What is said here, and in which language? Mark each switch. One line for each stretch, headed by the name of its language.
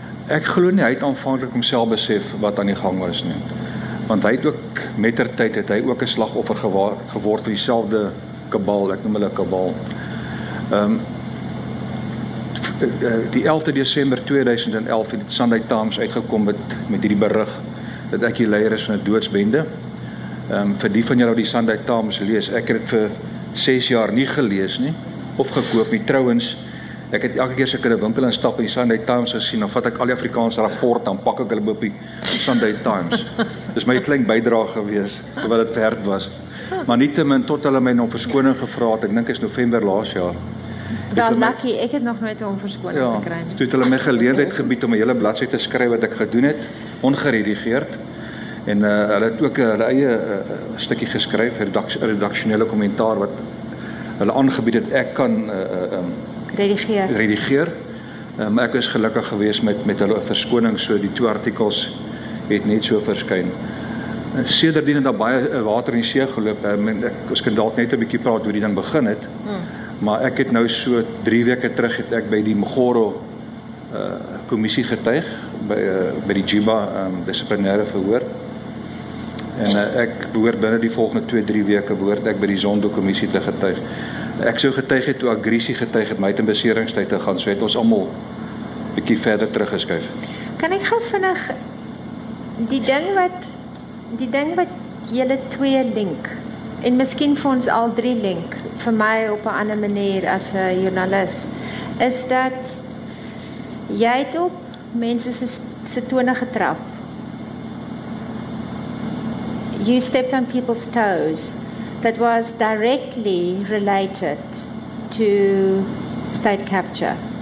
Afrikaans: Ek glo nie, hy het aanvanklik homself besef wat aan die gang was nie. Want hy het ook, mettertyd het hy ook een slagoffer geword van dieselfde kabal, ek noem hulle kabal. Die 11de December 2011 het Sunday Times uitgekom met die berig dat ek die leier is van die doodsbende. Vir die van julle die Sunday Times lees, ek het vir 6 jaar nie gelees nie, of gekoop nie. Trouwens, ek het elke keer as ek in die winkel instap in die Sunday Times gesien, dan vat ek al die Afrikaanse rapport, dan pak ek hulle op die Sunday Times. Dis my klein bydrae gewees, terwyl het werd was. Maar nie te min, tot hulle my nou verskoning gevra het, ek dink is November laas jaar. Dan Lucky, ek het nog nooit 'n onverskoning gekry nie. Toe het hulle my geleentheid gebied om 'n hele bladsy te skryf wat ek gedoen het, ongeredigeerd, en hulle het ook hulle eie stukkie geskryf, redaksionele kommentaar wat hulle aangebied het, ek kan redigeer. Ek is gelukkig geweest met hulle verskoning, so die twee artikels het net so verskyn. Sedertdien het daar baie water in die see geloop, ek kan dalk net 'n bietjie praat hoe die ding begin het, maar ek het nou so 3 weke terug het ek by die Mgoro kommissie getuig by die Jiba disciplinaire verhoor, En ek behoort binnen die volgende 2-3 weke behoort ek by die Zondo-commissie te getuig. Ek so getuig het toe agressie getuig het, my het in beseringstijd te gaan, so het ons allemaal bykie verder teruggeskuif. Kan ek gauw vinnig die ding wat jylle twee link, en miskien vir ons al drie link, vir my op 'n ander manier as 'n journalist, is dat jy het op mense se tone getrap.
English: You stepped on people's toes that was directly related to state capture.